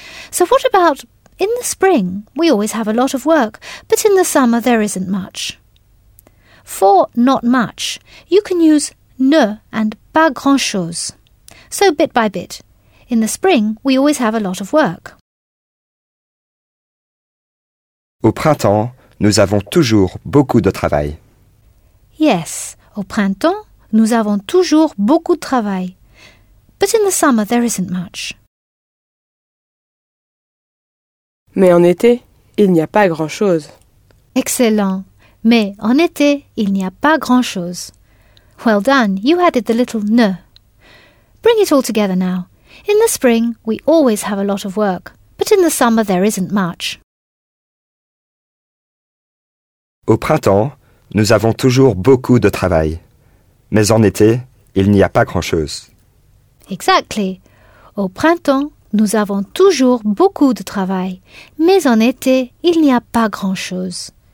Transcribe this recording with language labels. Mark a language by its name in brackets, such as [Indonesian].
[English] So what about in the spring? We always have a lot of work, but in the summer there isn't much. For not much, you can use ne and pas grand-chose. So bit by bit, in the spring we always have a lot of work. [French] Au printemps, nous avons toujours beaucoup de travail. [English] Yes, [French] au printemps, nous avons toujours beaucoup de travail. [English] But in the summer, there isn't much. [French] Mais en été, il n'y a pas grand-chose. [English] Excellent. [French] Mais en été, il n'y a pas grand-chose. [English] Well done, you added the little ne. Bring it all together now. In the spring, we always have a lot of work. But in the summer, there isn't much. [French] Au printemps, nous avons toujours beaucoup de travail. Mais en été, il n'y a pas grand-chose. [English] Exactly. [French] Au printemps, nous avons toujours beaucoup de travail. Mais en été, il n'y a pas grand-chose.